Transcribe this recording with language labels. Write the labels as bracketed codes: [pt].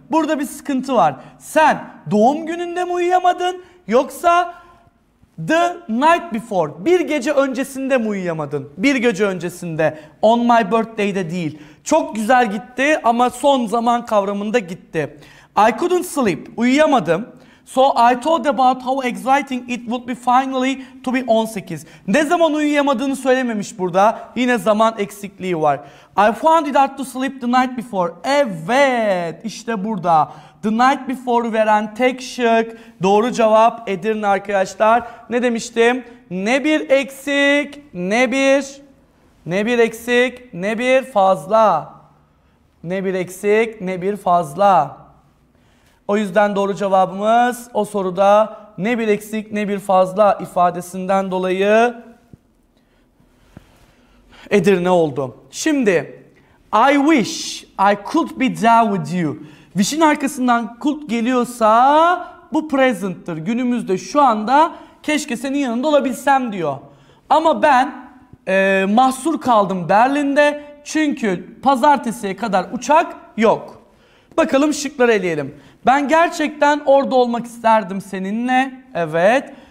[tr] Burada bir sıkıntı var. Sen doğum gününde mi uyuyamadın yoksa [en] the night before, [tr] bir gece öncesinde mi uyuyamadın? Bir gece öncesinde, [en] on my birthday'de [tr] değil. Çok güzel gitti ama son zaman kavramında gitti. [en] I couldn't sleep, [tr] uyuyamadım. [en] So I thought about how exciting it would be finally to be 18. [tr] Ne zaman uyuyamadığını söylememiş burada. Yine zaman eksikliği var. [en] I found it hard to sleep the night before. [tr] Evet, işte burada. [en] The night before [tr] veren tek şık. Doğru cevap Edirne arkadaşlar. Ne demiştim? Ne bir eksik, ne bir fazla. Ne bir eksik, ne bir fazla. O yüzden doğru cevabımız o soruda ne bir eksik ne bir fazla ifadesinden dolayı Edirne oldu. Şimdi [en] I wish I could be there with you. [tr] Wish'in arkasından could geliyorsa bu present'tır. Günümüzde şu anda keşke senin yanında olabilsem diyor. Ama ben mahsur kaldım Berlin'de çünkü pazartesiye kadar uçak yok. Bakalım şıkları eleyelim. Ben gerçekten orada olmak isterdim seninle. Evet.